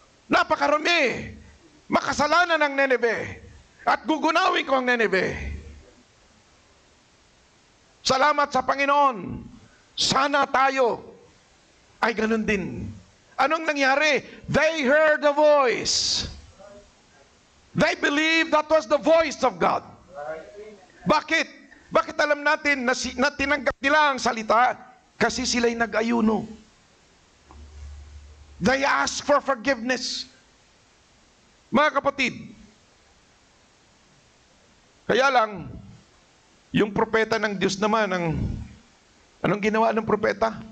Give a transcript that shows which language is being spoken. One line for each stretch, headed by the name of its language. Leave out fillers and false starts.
Filipino: napakarumi, makasalanan ang Nineveh, at gugunawin ko ang Nineveh. Salamat sa Panginoon, sana tayo ay ganun din. Anong nangyari?
English: They heard the voice. They believed that was the voice of God.
Filipino: Bakit? Bakit alam natin na, na tinanggap nila ang salita? Kasi sila'y nag-ayuno.
English: They ask for forgiveness.
Filipino: Mga kapatid, kaya lang, yung propeta ng Diyos naman, ang, anong ginawa ng propeta?